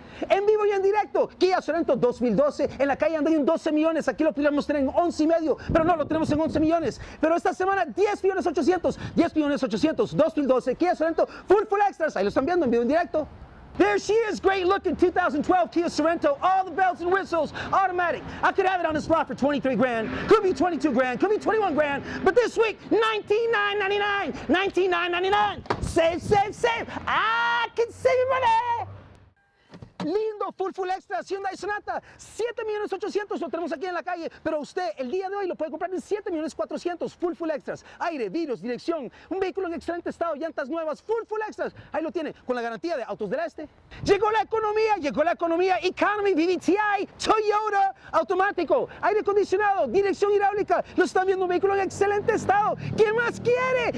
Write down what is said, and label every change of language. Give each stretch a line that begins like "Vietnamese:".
Spanish: En vivo y en directo, Kia Sorento 2012, en la calle andan en 12 millones, aquí lo podríamos tener en 11 y medio, pero no, lo tenemos en 11 millones, pero esta semana 10 millones 800, 2012, Kia Sorento, full extras, ahí lo están viendo en vivo y en directo.
English: There she is, great looking 2012 Kia Sorento, all the bells and whistles, automatic. I could have it on this lot for 23 grand, could be 22 grand, could be 21 grand, but this week, $19,999, save, I can save money.
Spanish: Lindo, full extra, Hyundai Sonata, 7.800.000, lo tenemos aquí en la calle, pero usted el día de hoy lo puede comprar en 7.400.000, full extras, aire, vidrios, dirección, un vehículo en excelente estado, llantas nuevas, full extras, ahí lo tiene, con la garantía de Autos del Este. Llegó la economía, Economy, VVTi, Toyota, automático, aire acondicionado, dirección hidráulica, lo están viendo, un vehículo en excelente estado, ¿quién más quiere?